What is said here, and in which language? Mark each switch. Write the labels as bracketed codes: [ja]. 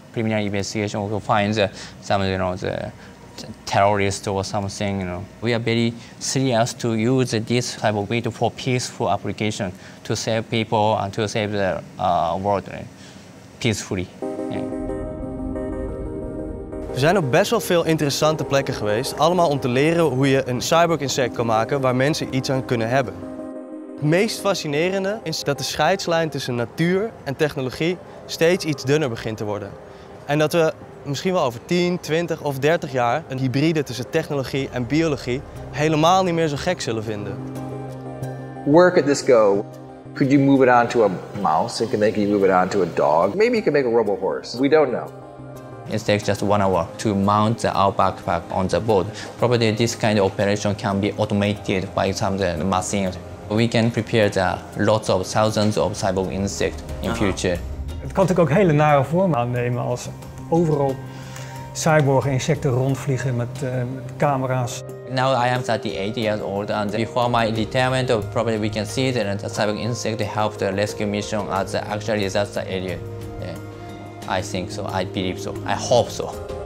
[en] Criminal investigation will find the terrorist or something. You know, we are very serious to use this type of beetle for peaceful application to save people and to save the world peacefully. [nl] We zijn op best wel veel interessante plekken geweest, allemaal om te leren hoe je een cyborg insect kan maken waar mensen iets aan kunnen hebben. Het meest fascinerende is dat de scheidslijn tussen natuur en technologie steeds iets dunner begint te worden. En dat we misschien wel over 10, 20 of 30 jaar een hybride tussen technologie en biologie helemaal niet meer zo gek zullen vinden. [en] Where could this go? Could you move it onto a mouse? And can you move it onto a dog? Maybe you can make a robot horse. We don't know. It takes just 1 hour to mount our backpack on the boat. Probably this kind of operation can be automated by some machines. We can prepare the lots of thousands of cyborg insects in future. [nl] Het kan natuurlijk ook hele nare vormen aannemen als overal cyborg insecten rondvliegen met camera's. [en] Now I am 38 years old and before my retirement, probably we can see that the cyborg insect helped the rescue mission at the actual disaster area. Yeah. I think so. I believe so. I hope so.